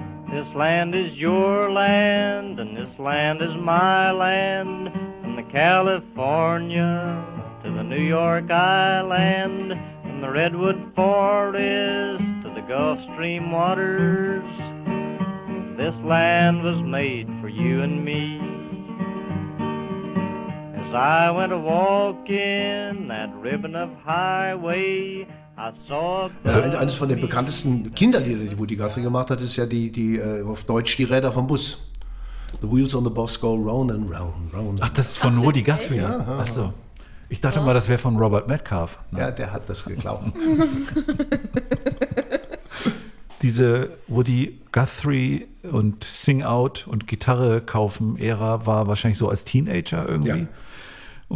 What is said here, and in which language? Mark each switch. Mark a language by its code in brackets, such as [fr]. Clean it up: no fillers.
[en] This land is your land and this land is my land, from the California to the New York Island, from the Redwood Forest to the Gulf Stream waters. This land was made for you and me. As I went a walk in that ribbon of highway, [de] also eines von den bekanntesten Kinderliedern, die Woody Guthrie gemacht hat, ist ja die auf Deutsch die Räder vom Bus. [en] The wheels on the bus go round and round, round. [de] Ach, das ist von Woody Guthrie. Ja. Achso. Ich dachte mal, das wäre von Robert Metcalf. Nein. Ja, der hat das geklaut. Diese Woody Guthrie und Sing Out und Gitarre kaufen Ära war wahrscheinlich so als Teenager irgendwie. Ja.